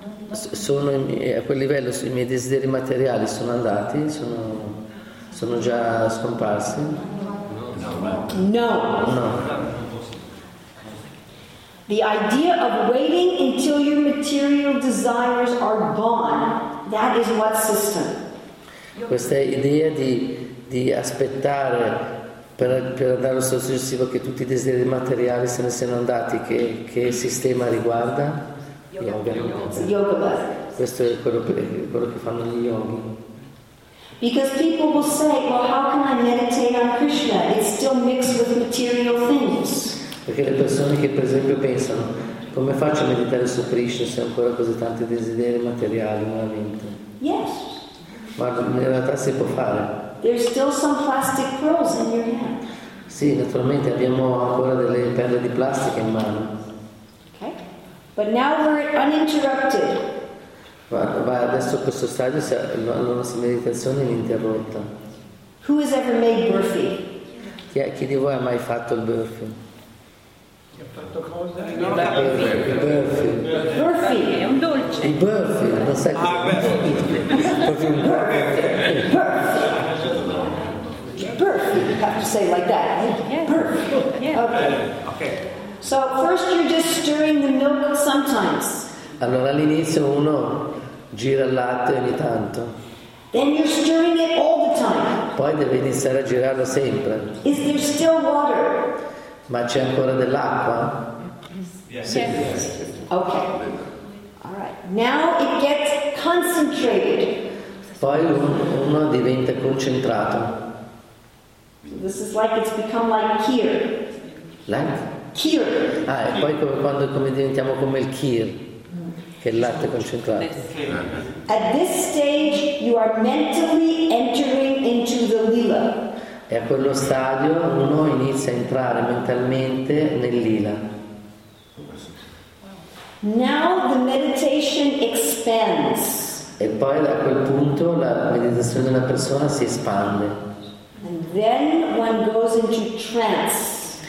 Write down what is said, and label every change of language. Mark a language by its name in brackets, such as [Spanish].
[Italian] Sono a quel livello i miei desideri materiali sono andati, sono già scomparsi. [English] No. [Italian] No. [English] The idea of waiting until your material desires are gone, that is what system. [Italian] Questa idea di aspettare per andare allo stato successivo che tutti i desideri materiali se ne siano andati, che sistema riguarda? [English] Yoga. [Italian] Questo è quello che fanno gli yogi. [English] Because people will say, well, how can I meditate on Krishna? It's still mixed with material things. [Italian] Perché le persone che per esempio pensano, come faccio a meditare su Krishna se ho ancora così tanti desideri materiali nella mente? [English] Yes. [Italian] Ma in realtà si può fare. [English] There's still some plastic pearls in your hand. [Italian] Sì, naturalmente abbiamo ancora delle perle di plastica in mano. [English] Okay. But now we're uninterrupted. [Italian] Ma adesso questo stadio la nostra meditazione è ininterrotta. [English] Who has ever made burfi? [Italian] Chi di voi ha mai fatto il burfi? Ha fatto cosa? Burfi è un dolce. Il burfi, non sai che burfi. Burfi. Burfi. [English] You have to say like that. Burfi. Yeah. Okay. Okay. So first you're just stirring the milk sometimes. [Italian] Allora all'inizio uno gira il latte ogni tanto. [English] Then you're stirring it all the time. [Italian] Poi deve iniziare a girarlo sempre. [English] Is there still water? [Italian] Ma c'è ancora dell'acqua? [English] Yes. Yes. Yes. Ok. All right. Now it gets concentrated. [Italian] Poi uno diventa concentrato. [English] So this is like it's become like kheer. Like? Kheer. [Italian] Ah, e poi come diventiamo come il kheer, che è il latte concentrato. [English] At this stage you are mentally entering into the lila. [Italian] E a quello stadio uno inizia a entrare mentalmente nel lila. [English] Now the meditation expands. [Italian] E poi da quel punto la meditazione della persona si espande. [English] And then one goes into trance.